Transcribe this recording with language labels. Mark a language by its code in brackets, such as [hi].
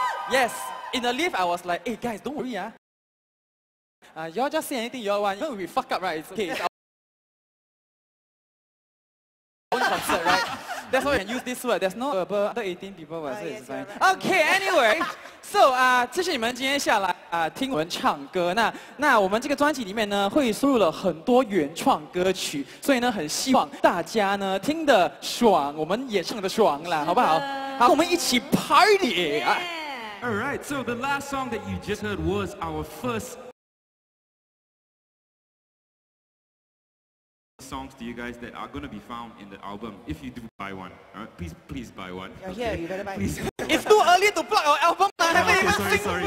[en] Yes, in the lift I was like, hey guys, don't worry. Y'all just say anything y'all want. Even if we fuck up, right? It's okay. It's concert, right? That's why we can use this word. There's no verbal under 18 people, but it's fine. Okay, anyway. [zh] So, 谢谢你们今天下来听我们唱歌。那我们这个专辑里面呢，会收录了很多原创歌曲，所以呢，很希望大家呢听得爽，我们也唱得爽啦，好不好？好，我们一起 party！ [en] Yeah. All right. So the last song that you just heard was our first songs to you guys that are going to be found in the album. If you do buy one, all right? please buy one. You're here, you better buy. Please. It's too early to plug our album. I haven't even